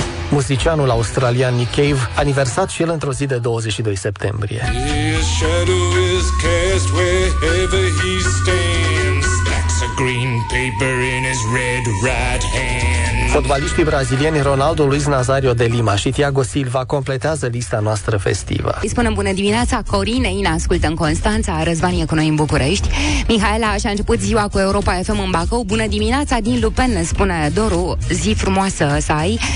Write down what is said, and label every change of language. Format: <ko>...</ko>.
<ro>muzicianul australian Nick Cave, aniversat și el într-o zi de 22 septembrie.</ro> <en>His shadow is cast wherever he stands. Stacks of green paper in his red right hand.</en> <ro>Fotbaliștii brazilieni Ronaldo, Luis Nazario de Lima și Thiago Silva completează lista noastră festivă. Îi spunem bună dimineața Corinei, ne ascultă în Constanța, Răzvan e cu noi în București. Mihaela și-a început ziua cu Europa FM în Bacău. Bună dimineața din Lupen, ne spune Doru, zi frumoasă să ai.</ro>